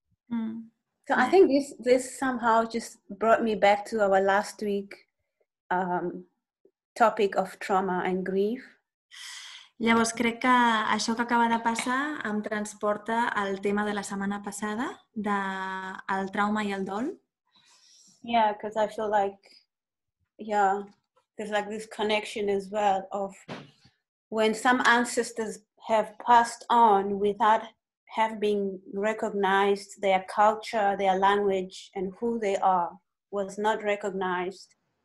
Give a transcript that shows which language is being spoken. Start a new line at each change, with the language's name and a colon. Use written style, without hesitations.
English: So I think this somehow just brought me back to our last week topic of trauma and grief.
Catalan: Llavors, crec que això que acaba de passar em transporta al tema de la setmana passada, del trauma i el dol.
English: Yeah, because I feel like, yeah, there's like this connection as well of when some ancestors have passed on without have been recognized, their culture, their language, and who they are was not recognized.